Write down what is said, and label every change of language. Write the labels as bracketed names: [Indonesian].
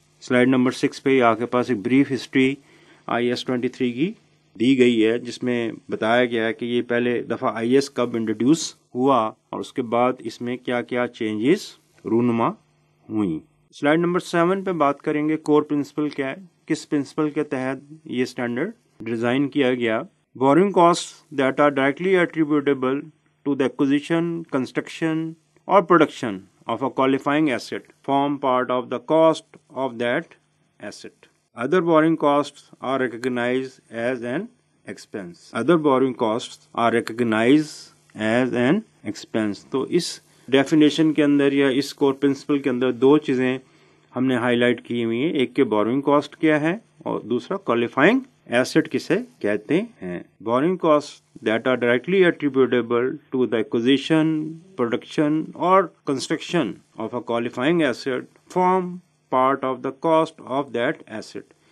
[Hindi] Slide number 6 पे आपके पास एक ब्रीफ हिस्ट्री IAS-23 की दी गई है, जिसमें बताया गया है कि ये पहले दफा IAS कब इंट्रोड्यूस हुआ और उसके बाद इसमें क्या क्या चेंजेस रूनुमा हुई। स्लाइड नंबर 7 पे बात करेंगे कोर प्रिंसिपल क्या है, किस प्रिंसिपल के तहत ये स्टैंडर्ड डिजाइन किया गया। [English] Borrowing costs that are directly attributable to the acquisition, construction or production of a qualifying asset form part of the cost of that asset. Other borrowing costs are recognized as an expense. Other borrowing costs are recognized as an expense. [Hindi] तो इस definition के अंदर या इस core principle के अंदर दो चीजें हमने highlight की हुई हैं। एक के borrowing cost क्या है और दूसरा qualifying एसेट किसे कहते हैं। [English] Borrowing cost that are directly attributable to the acquisition, production और construction of a qualifying asset form part of the cost of that asset.